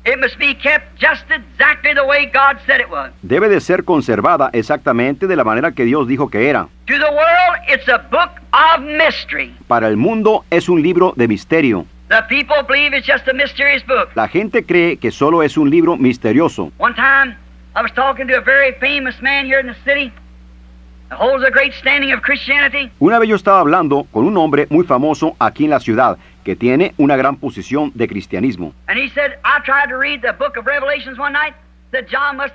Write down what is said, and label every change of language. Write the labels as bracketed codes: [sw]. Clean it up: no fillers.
[en] It must be kept just exactly the way God said it was. [es] Debe de ser conservada exactamente de la manera que Dios dijo que era. [en] To the world, it's a book of mystery. [es] Para el mundo es un libro de misterio. [en] The people believe it's just a mysterious book. [es] La gente cree que solo es un libro misterioso. [en] One time, I was talking to a very famous man here in the city that holds a great standing of Christianity. [es] Una vez yo estaba hablando con un hombre muy famoso aquí en la ciudad que tiene una gran posición de cristianismo. [en] And he said, I tried to read the book of Revelations one night, said John must have